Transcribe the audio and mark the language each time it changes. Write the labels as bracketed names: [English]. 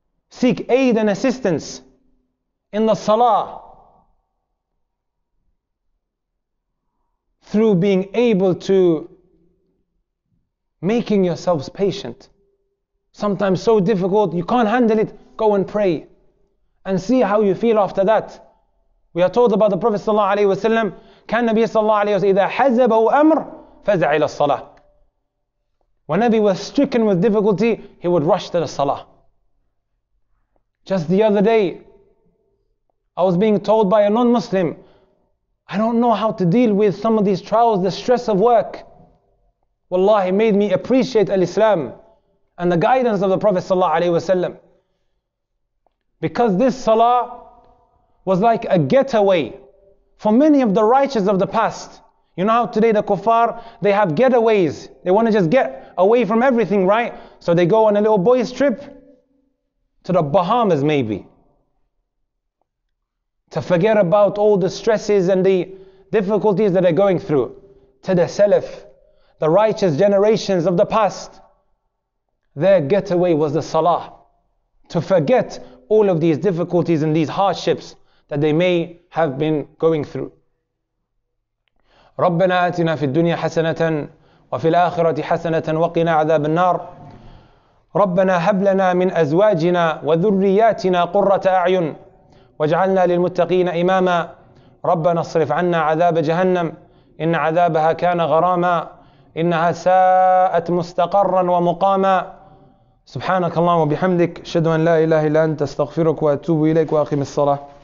[English] Seek aid and assistance in the salah through being able to making yourselves patient. Sometimes so difficult, you can't handle it, go and pray and see how you feel after that. We are told about the Prophet sallallahu alayhi wa sallam, [Arabic] كان النبي صلى الله عليه وسلم إذا حزبه أمر فزع إلى الصلاة. [English] Whenever he was stricken with difficulty, he would rush to the salah. Just the other day, I was being told by a non-Muslim, I don't know how to deal with some of these trials, the stress of work. Wallahi, made me appreciate al-Islam and the guidance of the Prophet sallallahu alayhi wa sallam. Because this salah was like a getaway for many of the righteous of the past. You know how today the kuffar, they have getaways. They want to just get away from everything, right? So they go on a little boys trip to the Bahamas maybe, to forget about all the stresses and the difficulties that they're going through. To the Salaf, the righteous generations of the past, their getaway was the Salah. To forget all of these difficulties and these hardships that they may have been going through. [Arabic] ربنا آتنا في الدنيا حسنة وفي الآخرة حسنة وقنا عذاب النار ربنا هب لنا من أزواجنا وذرياتنا قرة أعين واجعلنا للمتقين إماما ربنا اصرف عنا عذاب جهنم إن عذابها كان غراما إنها ساءت مستقرا ومقاما سبحانك اللهم وبحمدك أشهد أن لا إله إلا أنت استغفرك وأتوب إليك وأقم الصلاة